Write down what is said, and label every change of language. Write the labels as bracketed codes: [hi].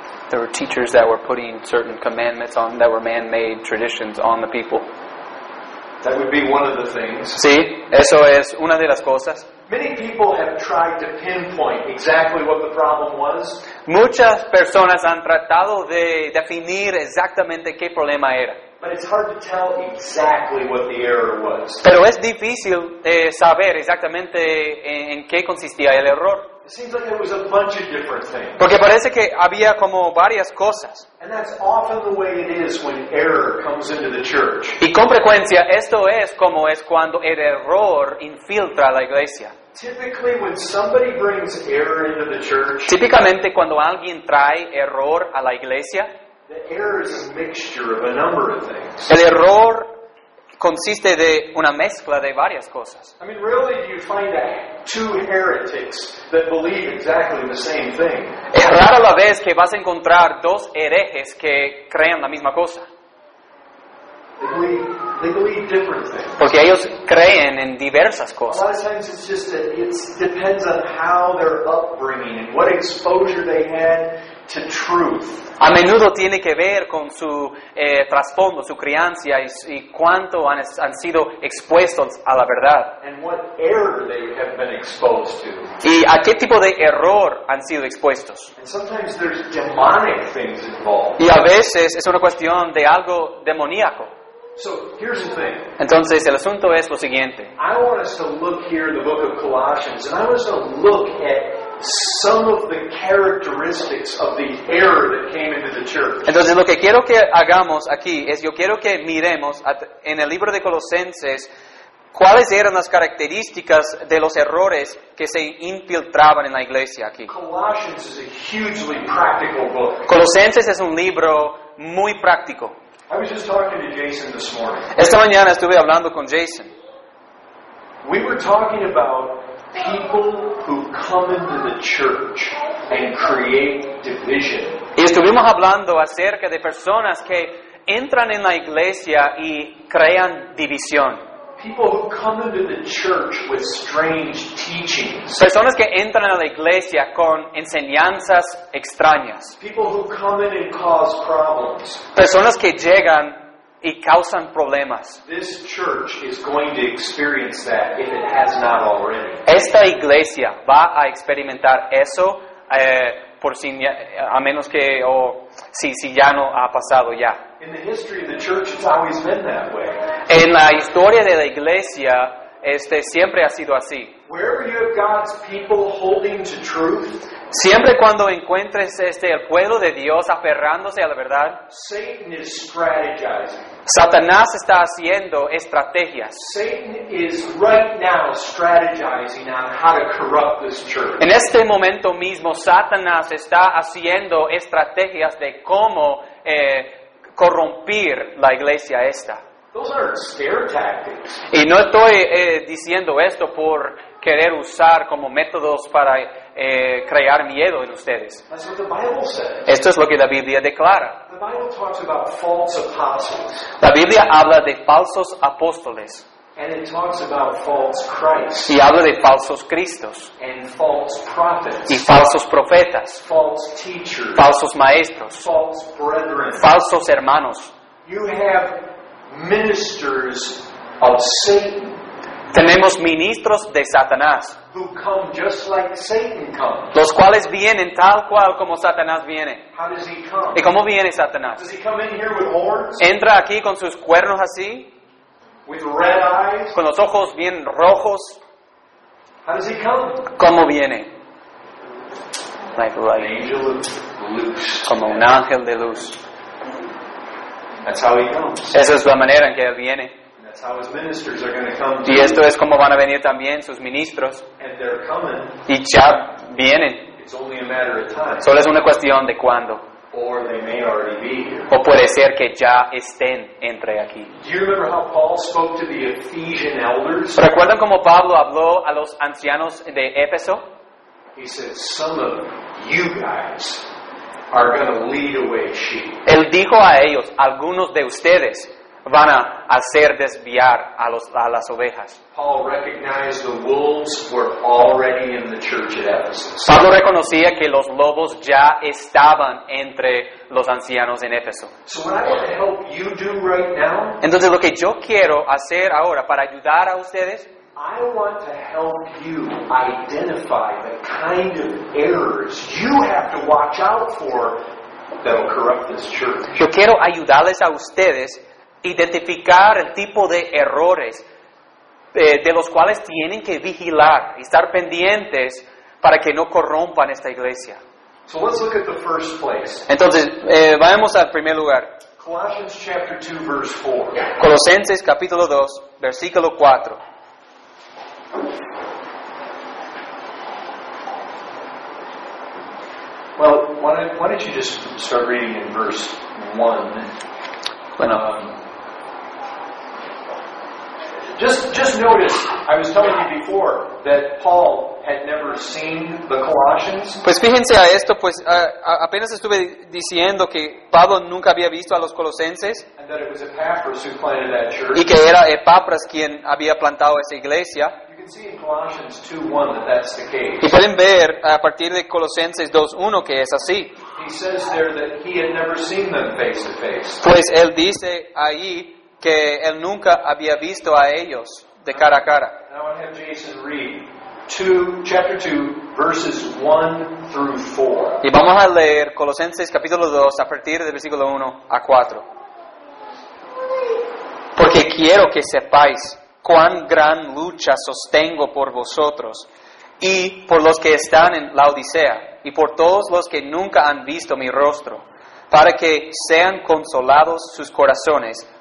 [en] There were teachers that were putting certain commandments on that were man-made traditions on the people. That would be one of the things. [es] Sí, eso es una de las cosas. [en] Many people have tried to pinpoint exactly what the problem was. [es] Muchas personas han tratado de definir exactamente qué problema era. [en] But it's hard to tell exactly what the error was. [es] Pero es difícil saber exactamente en qué consistía el error. [en] It seems like there was a bunch of different things. [es] Porque parece que había como varias cosas. [en] And that's often the way it is when error comes into the church. [es] Y con frecuencia esto es como es cuando el error infiltra la iglesia. [en] Typically, when somebody brings error into the church, [es] típicamente cuando alguien trae error a la iglesia, [en] the error is a mixture of a number of things. [es] El error consiste de una mezcla de varias cosas. [en] I mean, really, do you find two heretics that believe exactly the same thing? [es] Es rara la vez que vas a encontrar dos herejes que crean la misma cosa. [en] They believe different things. [es] Porque ellos creen en diversas cosas. [en] A lot of times it's just that it depends on how their upbringing and what exposure they had to truth. [es] A menudo tiene que ver con su trasfondo, su crianza y cuánto han sido expuestos a la verdad. [en] And what error they have been exposed to. [es] Y a qué tipo de error han sido expuestos. [en] And sometimes there's demonic things involved. [es] Y a veces es una cuestión de algo demoníaco. [en] So, here's the thing. [es] Entonces, el asunto es lo siguiente. [en] I want us to look here in the book of Colossians, and I want us to look at some of the characteristics of the error that came into the church. [es] Entonces, lo que quiero que hagamos aquí es, yo quiero que miremos en el libro de Colosenses cuáles eran las características de los errores que se infiltraban en la iglesia aquí. [en] Colossians is a hugely practical book. [es] Colosenses es un libro muy práctico. [en] I was just talking to Jason this morning. [es] Esta mañana estuve hablando con Jason. [en] We were talking about people who come into the church and create division. [es] Y estuvimos hablando acerca de personas que entran en la iglesia y crean división. [en] People who come into the church with strange teachings. [es] Personas que entran a la iglesia con enseñanzas extrañas. [en] People who come in and cause problems. [es] Personas que llegan y causan problemas. [en] This church is going to experience that if it has not already. [es] Esta iglesia va a experimentar eso por si a menos que si ya no ha pasado ya. [en] In the history of the church, it's always been that way. [es] En la historia de la iglesia, siempre ha sido así. [en] Wherever you have God's people holding to truth, [es] siempre cuando encuentres el pueblo de Dios aferrándose a la verdad, [en] Satan is strategizing. [es] Satanás está haciendo estrategias. [en] Satan is right now strategizing on how to corrupt this church. [es] En este momento mismo, Satanás está haciendo estrategias de cómo corrompir la iglesia esta. [en] Those aren't scare tactics. [es] Y no estoy diciendo esto por querer usar como métodos para crear miedo en ustedes. [en] That's what the Bible says. [es] Esto es lo que la Biblia declara. [en] The Bible talks about false apostles. [es] La Biblia habla de falsos apóstoles. [en] And it talks about false Christ. [es] Y habla de falsos Cristos. [en] And false prophets. [es] Y falsos profetas. [en] False teachers. [es] Falsos maestros. [en] False brethren. [es] Falsos hermanos. [en] You have ministers of Satan. [es] Tenemos ministros de Satanás. [en] Who come just like Satan comes. [es] Los cuales vienen tal cual como Satanás viene. [en] How does he come? [es] ¿Y cómo viene Satanás? [en] Does he come in here with horns? [es] ¿Entra aquí con sus cuernos así? [en] With red eyes. [es] Con los ojos bien rojos. [en] How does he come? [es] ¿Cómo viene? [en] Like an angel of [es] luz. Como un ángel de luz. [en] That's how he comes. [es] Esa es la manera en que él viene. [en] That's how his ministers are going to come. [es] Y esto es como van a venir también sus ministros. [en] And they're coming. [es] Y ya vienen. [en] It's only a matter of time. [es] Solo es una cuestión de cuándo. [en] Or they may already be here. [es] O puede ser que ya estén entre aquí. [en] Do you remember how Paul spoke to the Ephesian elders? [es] ¿Recuerdan cómo Pablo habló a los ancianos de Éfeso? [en] He said, "Some of you guys are going to lead away sheep." [es] Él dijo a ellos, "Algunos de ustedes van a hacer desviar a los a las ovejas." [en] Paul recognized the wolves were already in the church at Ephesus. [es] Pablo reconocía que los lobos ya estaban entre los ancianos en Éfeso. [en] So what I want to help you do right now, [es] entonces lo que yo quiero hacer ahora para ayudar a ustedes, [en] I want to help you identify the kind of errors you have to watch out for that will corrupt this church. [es] Yo quiero ayudarles a ustedes identificar el tipo de errores de los cuales tienen que vigilar y estar pendientes para que no corrompan esta iglesia. [en] So let's look at the first place. [es] Entonces, vayamos al primer lugar. [en] Colossians chapter 2, verse 4. [es] Colosenses capítulo 2, versículo 4. [en] Well, why don't you just start reading in verse 1? [es] Bueno. [en] Just notice, I was telling you before that Paul had never seen the Colossians. [es] Pues fíjense a esto, pues apenas estuve diciendo que Pablo nunca había visto a los Colosenses. [en] And that it was Epaphras who planted that church. [es] Y que era Epaphras quien había plantado esa iglesia. [en] You can see in Colossians 2:1 that that's the case. [es] Y pueden ver a partir de Colosenses 2:1 que es así. [en] He says there that he had never seen them face to face. [es] Pues él dice ahí que él nunca había visto a ellos de cara a cara. [en] Now I want to have Jason read chapter 2, verses 1 through 4. [es] Y vamos a leer Colosenses capítulo 2 a partir del versículo 1 a 4. Porque quiero que sepáis cuán gran lucha sostengo por vosotros y por los que están en Laodicea y por todos los que nunca han visto mi rostro, para que sean consolados sus corazones,